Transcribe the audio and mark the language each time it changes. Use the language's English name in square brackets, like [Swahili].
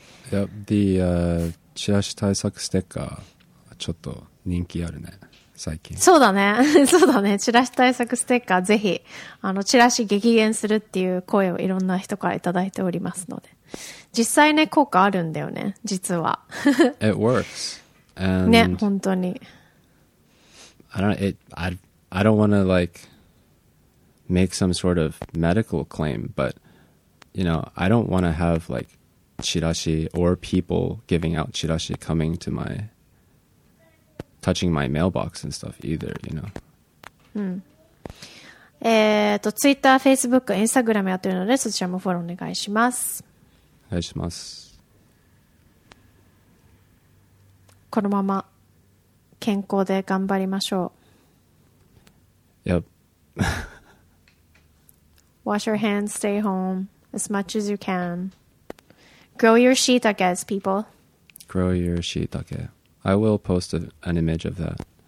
[English] Yep, the, [Japanese] チラシ対策ステッカー、ちょっと人気あるね、最近。そうだね。そうだね。チラシ対策ステッカー、ぜひ、チラシ激減するっていう声をいろんな人からいただいておりますので。実際ね、効果あるんだよね、実は。 [English] It works. And [Japanese] ね、本当に。 [English] I don't want to like make some sort of medical claim, but you know, I don't want to have like chirashi or people giving out chirashi coming to my touching my mailbox and stuff either, you know. [Japanese] Twitter, Facebook, Instagram やってるので、そちらもフォローお願いします。お願いします。このまま健康で頑張りましょう。 [English] Yep. Wash your hands, stay home as much as you can. Grow your shiitake, people. Grow your shiitake. I will post an image of that.